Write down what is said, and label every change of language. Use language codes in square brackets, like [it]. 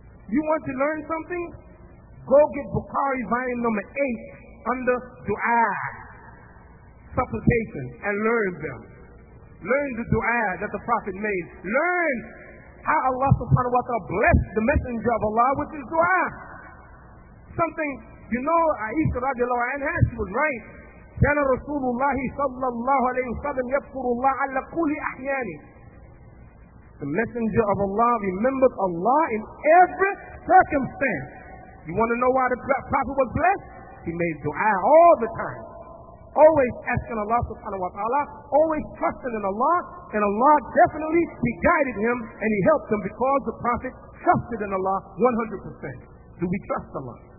[en] You want to learn something? Go get Bukhari volume number 8 under dua, supplication, and learn them. Learn the dua that the Prophet made. Learn how Allah subhanahu wa ta'ala blessed the Messenger of Allah with his dua. Something, you know, Aisha radiallahu anha, she was right. [ar] كان رسول الله صلى الله عليه وسلم يذكر الله على كل أحياني. [en] The Messenger of Allah remembered Allah in every circumstance. You want to know why the Prophet was blessed? He made dua all the time. Always asking Allah subhanahu wa ta'ala, always trusting in Allah, and Allah definitely, He guided him and He helped him because the Prophet trusted in Allah 100%. Do we trust Allah?